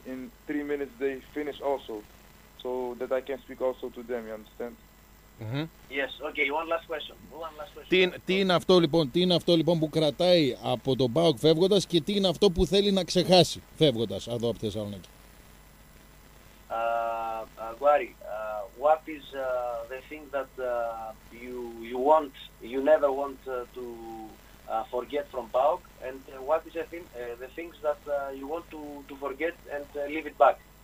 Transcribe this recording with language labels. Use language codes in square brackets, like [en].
[en] In 3 minutes they finish also, so that I can speak also to them, you understand? Yes, okay, one last question. [el] Τι είναι αυτό λοιπόν, που κρατάει από τον ΠΑΟΚ φεύγοντας, και τι είναι αυτό που θέλει να ξεχάσει φεύγοντας εδώ από Θεσσαλονίκη? [en] Aguari, what is the thing that you never want to forget from ΠΑΟΚ, and what is the things that you want to forget and leave it back?